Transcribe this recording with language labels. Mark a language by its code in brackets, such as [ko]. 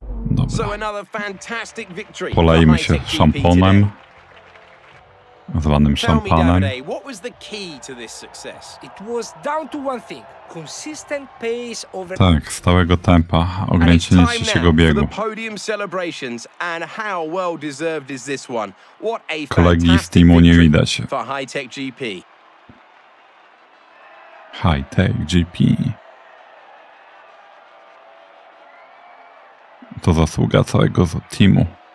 [pl] Dobra. [en] So another fantastic victory. [pl] Polejmy się szamponem. Zwanym szampanem. [en] What was the key to this success? It was down to one thing. Consistent pace over... [pl] Tak, stałego tempa, ograniczenie trzeciego biegu. [en] Podium celebrations and how well deserved is this one. What a fantastic [pl] kolegi z teamu nie widać. [en] For High Tech GP. High Tech GP. [pl] To zasługa całego teamu.